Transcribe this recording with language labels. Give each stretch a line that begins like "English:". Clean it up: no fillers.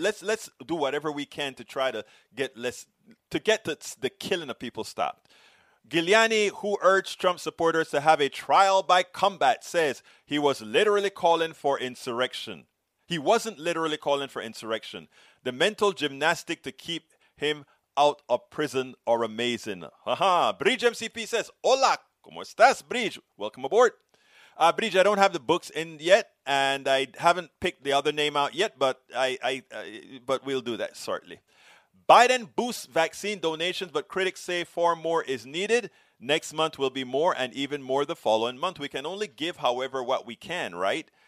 English: Let's do whatever we can to try to get the killing of people stopped. Giuliani, who urged Trump supporters to have a trial by combat, says he was literally calling for insurrection. He wasn't literally calling for insurrection. The mental gymnastic to keep him out of prison are amazing. Haha. Bridge MCP says,
Spanish: hola, ¿cómo estás,
English: Bridge? Welcome aboard. Bridge, I don't have the books in yet, and I haven't picked the other name out yet, but I we'll do that shortly. Biden boosts vaccine donations, but critics say far more is needed. Next month will be more and even more the following month. We can only give, however, what we can, right?